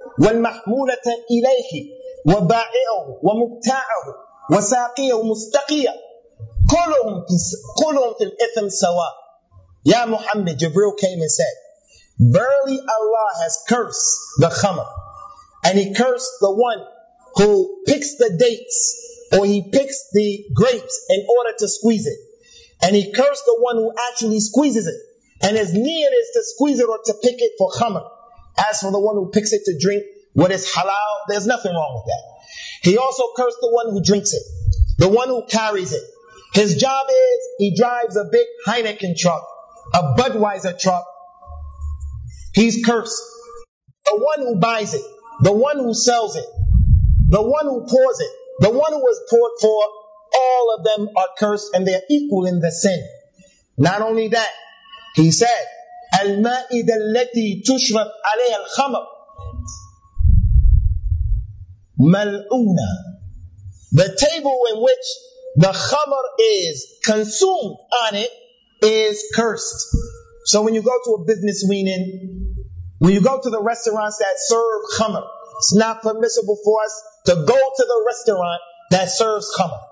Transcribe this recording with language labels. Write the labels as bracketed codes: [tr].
[ar] والمحمولة إليه وبائعه ومبتاعه وساقيه ومستقيه كلهم في الإثم سواء. يا محمد, [en] Jibril came and said, verily Allah has cursed the khamr, and he cursed the one who picks the dates, or he picks the grapes in order to squeeze it. And he cursed the one who actually squeezes it, and as near as to squeeze it or to pick it for khamr. As for the one who picks it to drink, what is halal, there's nothing wrong with that. He also cursed the one who drinks it, the one who carries it. His job is, he drives a big Heineken truck, a Budweiser truck. He's cursed. The one who buys it, the one who sells it, the one who pours it, the one who was poured for, all of them are cursed, and they are equal in the sin. Not only that, he said, [ar] المائدة التي تشرب عليها الخمر ملعونة. [en] The table in which the khamr is consumed on it is cursed. So when you go to a business meeting, when you go to the restaurants that serve khamr, it's not permissible for us to go to the restaurant that serves khamr.